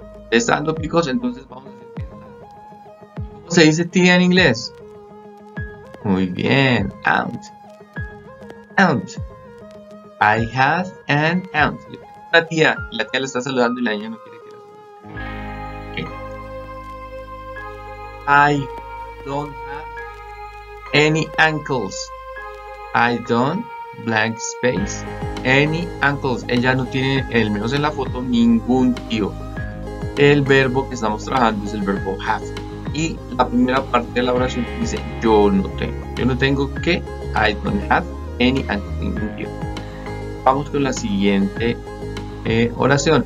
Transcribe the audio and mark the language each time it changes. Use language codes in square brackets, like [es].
[es] ¿Está dando picos? Entonces vamos a decir. ¿Cómo se dice tía en inglés? Muy bien, aunt. Aunt. [en] I have an aunt. [es] La tía le está saludando y la niña no quiere que la salude. [en] Okay. I don't have any uncles. I don't blank space. Any uncles. [es] Ella no tiene, al menos en la foto, ningún tío. El verbo que estamos trabajando es el verbo have. Y la primera parte de la oración dice yo no tengo. Yo no tengo que. [en] I don't have any uncles. [es] Ningún tío. Vamos con la siguiente oración.